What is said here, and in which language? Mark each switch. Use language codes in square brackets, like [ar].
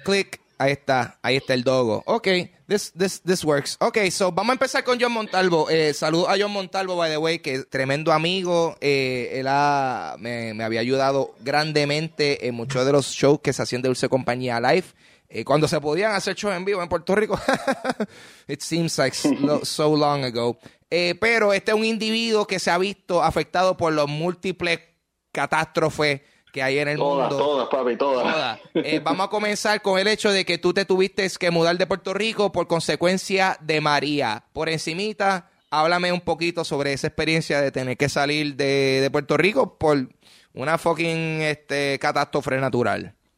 [es] Clic. Ahí está el dogo. [en] Ok, this works. [es] Ok, so vamos a empezar con John Montalvo. Saludos a John Montalvo, [en] by the way, [es] que es tremendo amigo. Él me había ayudado grandemente en muchos de los shows que se hacían de Dulce Compañía Live. Cuando se podían hacer shows en vivo en Puerto Rico. [en] It seems like so long ago. [es] Pero este es un individuo que se ha visto afectado por los múltiples catástrofes que hay en el mundo. Todas, papi. Vamos a comenzar con el hecho de que tú te tuviste que mudar de Puerto Rico por consecuencia de María. Por encimita, háblame un poquito sobre esa experiencia de tener que salir de Puerto Rico por una fucking catástrofe natural.